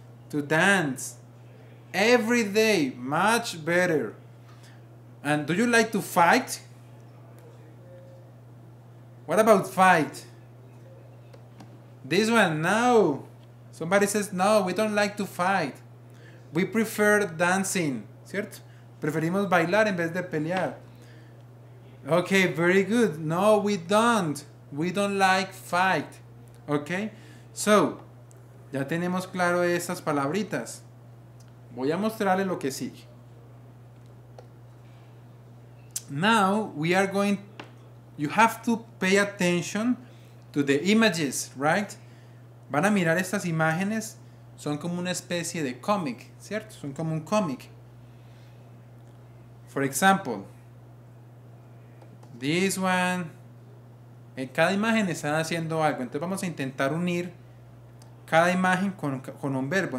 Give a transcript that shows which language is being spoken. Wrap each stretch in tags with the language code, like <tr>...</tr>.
<en>To dance. Every day, much better. And do you like to fight? What about fight? This one, no. Somebody says, no, we don't like to fight. We prefer dancing,</en> <es>¿cierto? Preferimos bailar en vez de pelear.</es> <en>Okay, very good. No, we don't. We don't like fight. Okay?</en> <es>So, ya tenemos claro estas palabritas. Voy a mostrarle lo que sigue.</es> <en>Now, we are going... You have to pay attention to the images, right?</en> <es>Van a mirar estas imágenes. Son como una especie de cómic, ¿cierto? Son como un cómic.</es> <en>For example, this one.</en> <es>En cada imagen están haciendo algo. Entonces vamos a intentar unir cada imagen con un verbo.</es>